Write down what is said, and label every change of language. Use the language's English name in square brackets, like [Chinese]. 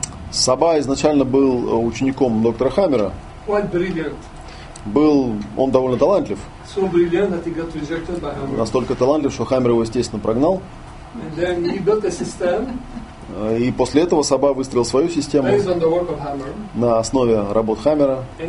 [Russian] Саба изначально был учеником доктора Хаммера. Был он довольно талантлив. [English] So brilliant that he got rejected by Hammer. [Russian] Настолько талантлив, что Хаммер его, естественно, прогнал. [English] And then he built a system. [Russian] И после этого Саба выстроил свою систему на основе работ Хаммера.